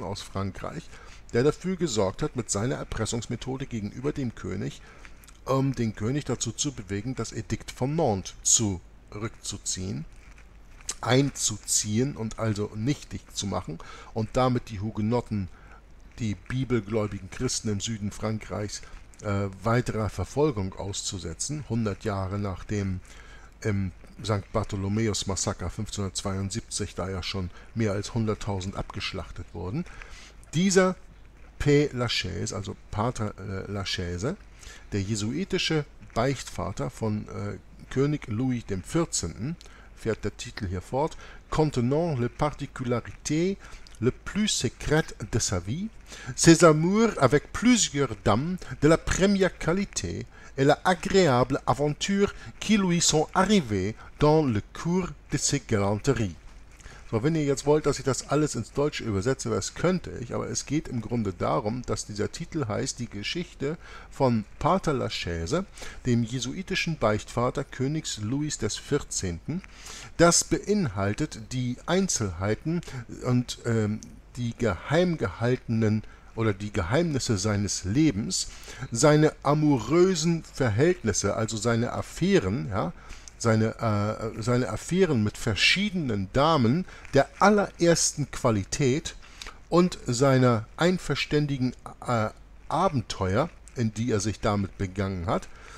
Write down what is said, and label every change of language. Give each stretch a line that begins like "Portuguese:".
German: Aus Frankreich, der dafür gesorgt hat, mit seiner Erpressungsmethode gegenüber dem König, den König dazu zu bewegen, das Edikt von Nantes zurückzuziehen, einzuziehen und also nichtig zu machen und damit die Hugenotten, die bibelgläubigen Christen im Süden Frankreichs, weiterer Verfolgung auszusetzen, 100 Jahre nachdem im St. Bartholomäus-Massaker 1572 da ja schon mehr als 100.000 abgeschlachtet wurden. Dieser P.
French: Lachaise,
German: also Pater Lachaise, der jesuitische Beichtvater von König Louis dem 14., fährt der Titel hier fort,
French: contenant les particularités le plus secret de sa vie, ses amours avec plusieurs dames de la première qualité et la agréable aventure qui lui sont arrivées dans le cours de ses galanteries.
German: So, wenn ihr jetzt wollt, dass ich das alles ins Deutsche übersetze, das könnte ich, aber es geht im Grunde darum, dass dieser Titel heißt Die Geschichte von Pater Lachaise, dem jesuitischen Beichtvater Königs Louis des 14. Das beinhaltet die Einzelheiten und die geheim gehaltenen oder die Geheimnisse seines Lebens, seine amourösen Verhältnisse, also seine Affären, ja, seine Affären mit verschiedenen Damen der allerersten Qualität und seine einverständigen Abenteuer, in die er sich damit begangen hat,